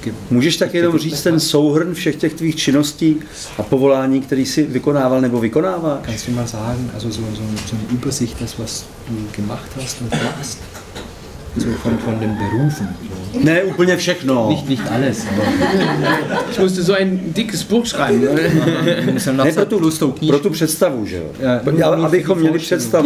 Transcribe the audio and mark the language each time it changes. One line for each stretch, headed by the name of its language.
Czech: můžeš tak jenom říct ten souhrn všech těch tvých činností a povolání, který jsi vykonával nebo vykonáváš?
German: Kannst du mal sagen, also so eine Übersicht, das was du gemacht hast und machst? So von den Berufen.
Czech: Ne, úplně všechno.
German: Nicht alles. Ich musste so ein dickes Buch schreiben.
Czech: Ne, pro tu představu, že jo.
German: Ja,
Czech: abychom měli představu.